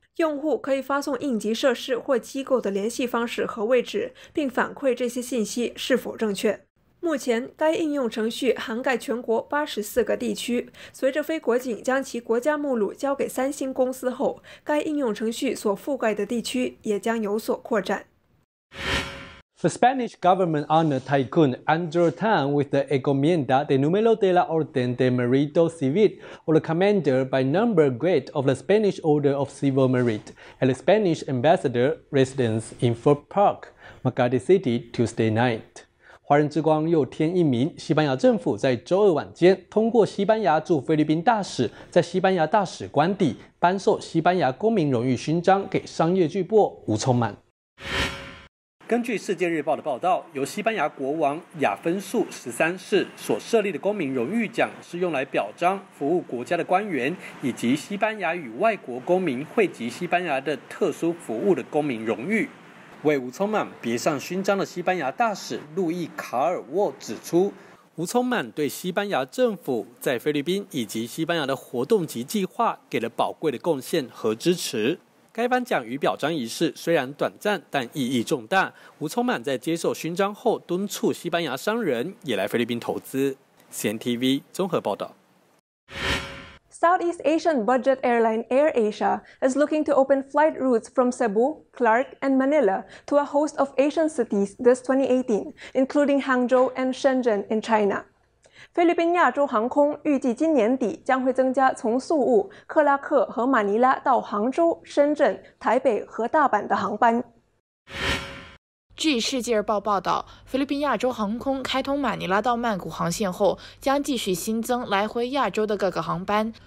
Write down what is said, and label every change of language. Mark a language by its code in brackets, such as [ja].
[zh] 用户可以发送应急设施或机构的联系方式和位置，并反馈这些信息是否正确。目前，该应用程序涵盖全国84个地区。随着非国警将其国家目录交给三星公司后，该应用程序所覆盖的地区也将有所扩展。 [en] The Spanish government honored tycoon Andrew Tan with the encomienda de número de la Orden de Mérito Civil, or the commander by number grade of the Spanish Order of Civil Merit, at the Spanish ambassador residence in Fort Park, Magadi City, Tuesday night. [zh] 华人之光又添一名，西班牙政府在周二晚间通过西班牙驻菲律宾大使在西班牙大使官邸颁授西班牙公民荣誉勋章给商业巨擘吴聪满。根据《世界日报》的报道，由西班牙国王亚芬素十三世所设立的公民荣誉奖是用来表彰服务国家的官员以及西班牙与外国公民汇集西班牙的特殊服务的公民荣誉。为吴聪满别上勋章的西班牙大使路易卡尔沃指出，吴聪满对西班牙政府在菲律宾以及西班牙的活动及计划给了宝贵的贡献和支持。该颁奖与表彰仪式虽然短暂，但意义重大。吴聪满在接受勋章后敦促西班牙商人也来菲律宾投资。 CNTV 综合报道。 [en] Southeast Asian budget airline AirAsia is looking to open flight routes from Cebu, Clark, and Manila to a host of Asian cities this 2018, including Hangzhou and Shenzhen in China. [zh] 菲律宾亚洲航空预计今年底将会增加从宿务、克拉克和马尼拉到杭州、深圳、台北和大阪的航班。据《世界日报》报道，菲律宾亚洲航空开通马尼拉到曼谷航线后，将继续新增来回亚洲的各个航班。